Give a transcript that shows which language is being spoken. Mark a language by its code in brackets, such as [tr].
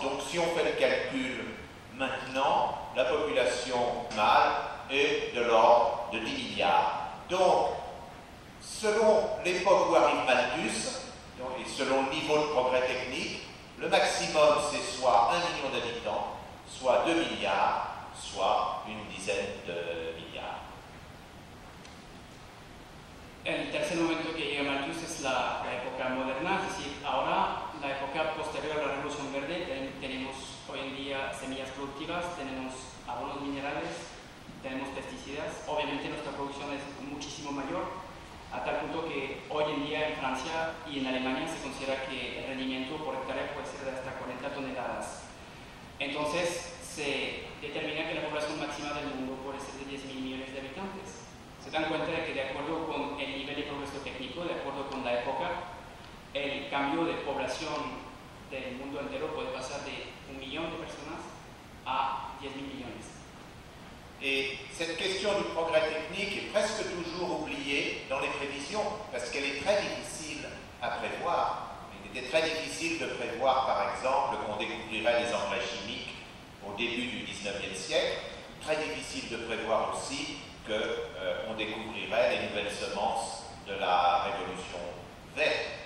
[fr] Donc si on fait le calcul maintenant, la population mâle est de l'ordre de 10 milliards. Donc, selon l'époque où arrive Malthus, et selon le niveau de progrès technique, le maximum c'est soit 1 million d'habitants, soit 2 milliards, soit une dizaine de milliards. [es] El tercer momento que llega Malthus es la época moderna, es decir, ahora, la época posterior a la Revolución Verde, tenemos hoy en día semillas productivas, tenemos abonos minerales, tenemos pesticidas, obviamente nuestra producción es muchísimo mayor, a tal punto que hoy en día en Francia y en Alemania se considera que el rendimiento por hectárea puede ser de hasta 40 toneladas. Entonces, se determina que la población máxima del mundo puede ser de 10.000 millones de habitantes. Se dan cuenta de que de acuerdo con el nivel de progreso técnico, de acuerdo con la época, el cambio de población del mundo entero puede pasar de 1 millón de personas a 10.000 millones. [fr] Et cette question du progrès technique est presque toujours oubliée dans les prévisions, parce qu'elle est très difficile à prévoir. Il était très difficile de prévoir, par exemple, qu'on découvrirait les engrais chimiques au début du 19e siècle. Très difficile de prévoir aussi qu'on découvrirait les nouvelles semences de la Révolution verte.